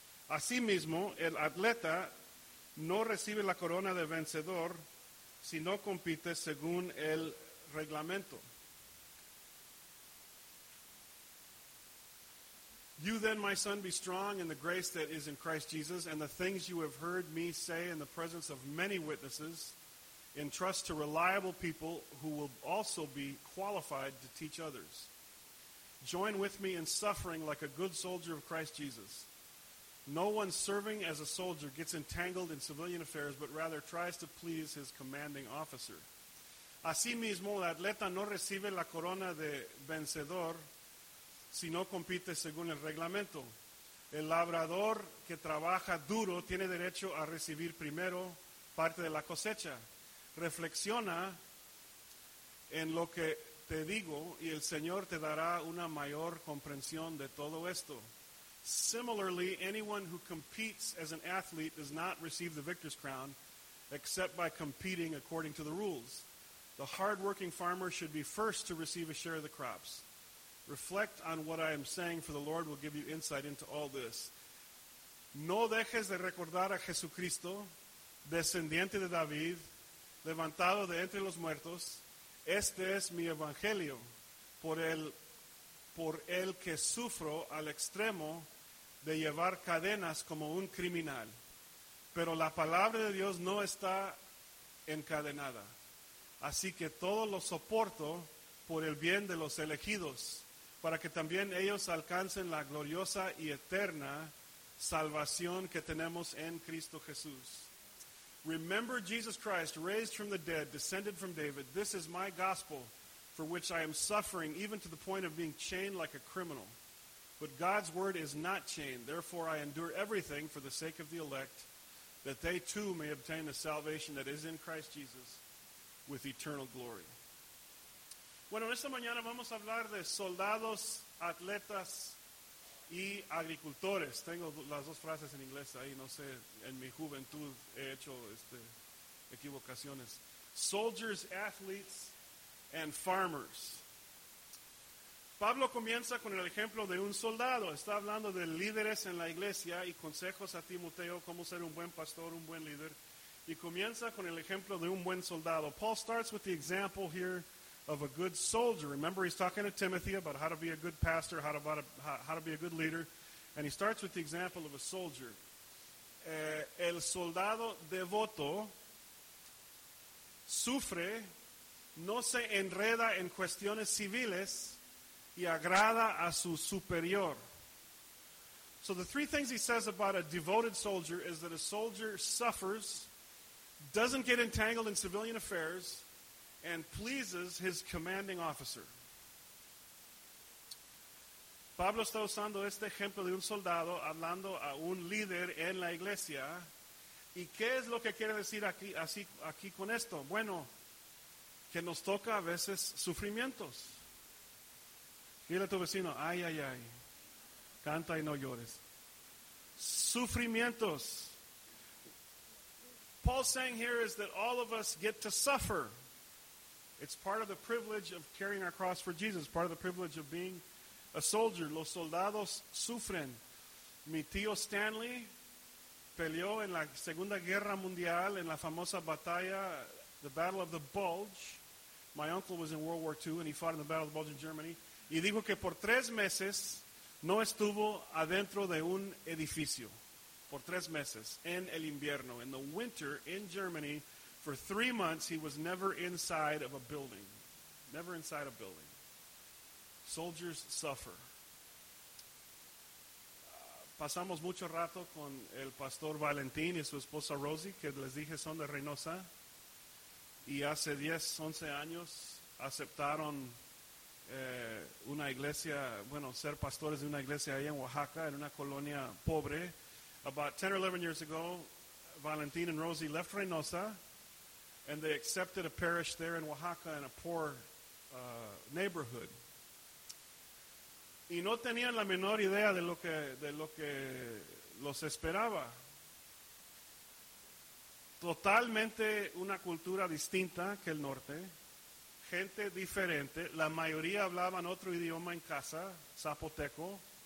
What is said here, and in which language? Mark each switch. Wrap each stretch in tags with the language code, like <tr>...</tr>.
<es>Asimismo, el atleta no recibe la corona de vencedor si no compite según el reglamento.</es> <en>You then, my son, be strong in the grace that is in Christ Jesus, and the things you have heard me say in the presence of many witnesses, entrust to reliable people who will also be qualified to teach others. Join with me in suffering like a good soldier of Christ Jesus. No one serving as a soldier gets entangled in civilian affairs, but rather tries to please his commanding officer.</en> <es>Asimismo, el atleta no recibe la corona de vencedor si no compite según el reglamento. El labrador que trabaja duro tiene derecho a recibir primero parte de la cosecha. Reflexiona en lo que te digo y el Señor te dará una mayor comprensión de todo esto.</es> <en>Similarly, anyone who competes as an athlete does not receive the victor's crown except by competing according to the rules. The hard-working farmer should be first to receive a share of the crops. Reflect on what I am saying, for the Lord will give you insight into all this.</en> <es>No dejes de recordar a Jesucristo, descendiente de David, levantado de entre los muertos. Este es mi evangelio, por el que sufro al extremo de llevar cadenas como un criminal. Pero la palabra de Dios no está encadenada. Así que todo lo soporto por el bien de los elegidos, para que también ellos alcancen la gloriosa y eterna salvación que tenemos en Cristo Jesús.</es> <en>Remember Jesus Christ, raised from the dead, descended from David. This is my gospel, for which I am suffering, even to the point of being chained like a criminal. But God's word is not chained. Therefore, I endure everything for the sake of the elect, that they too may obtain the salvation that is in Christ Jesus with eternal glory.</en> <es>Bueno, esta mañana vamos a hablar de soldados, atletas y agricultores. Tengo las dos frases en inglés ahí. No sé, en mi juventud he hecho equivocaciones.</es> <en>Soldiers, athletes, and farmers.</en> <es>Pablo comienza con el ejemplo de un soldado. Está hablando de líderes en la iglesia y consejos a Timoteo cómo ser un buen pastor, un buen líder. Y comienza con el ejemplo de un buen soldado.</es> <en>Paul starts with the example here of a good soldier. Remember, he's talking to Timothy about how to be a good pastor, how to be a good leader. And he starts with the example of a soldier.</en> <es>El soldado devoto sufre, no se enreda en cuestiones civiles, y agrada a su superior.</es> <en>So the three things he says about a devoted soldier is that a soldier suffers, doesn't get entangled in civilian affairs, and pleases his commanding officer.</en> <es>Pablo está usando este ejemplo de un soldado hablando a un líder en la iglesia. ¿Y qué es lo que quiere decir aquí con esto? Bueno, que nos toca a veces sufrimientos. Dile a tu vecino, ay, ay, ay, canta y no llores.</es> <en>Sufrimientos. Paul's saying here is that all of us get to suffer. It's part of the privilege of carrying our cross for Jesus, part of the privilege of being a soldier.</en> <es>Los soldados sufren. Mi tío Stanley peleó en la Segunda Guerra Mundial, en la famosa batalla, the Battle of the Bulge.</es> <en>My uncle was in World War II, and he fought in the Battle of the Bulge in Germany.</en> <es>Y dijo que por tres meses no estuvo adentro de un edificio. Por tres meses, en el invierno.</es> <en>In the winter, in Germany, for 3 months, he was never inside of a building. Never inside a building. Soldiers suffer.</en> <es>Pasamos mucho rato con el pastor Valentín y su esposa Rosie, que les dije son de Reynosa. Y hace 10, 11 años aceptaron una iglesia, bueno, ser pastores de una iglesia ahí en Oaxaca, en una colonia pobre.</es> <en>About 10 or 11 years ago, Valentin and Rosie left Reynosa, and they accepted a parish there in Oaxaca in a poor neighborhood.</en> <es>Y no tenían la menor idea de lo que los esperaba. Totalmente una cultura distinta que el norte. Gente diferente, la mayoría hablaban otro idioma en casa, zapoteco.</es>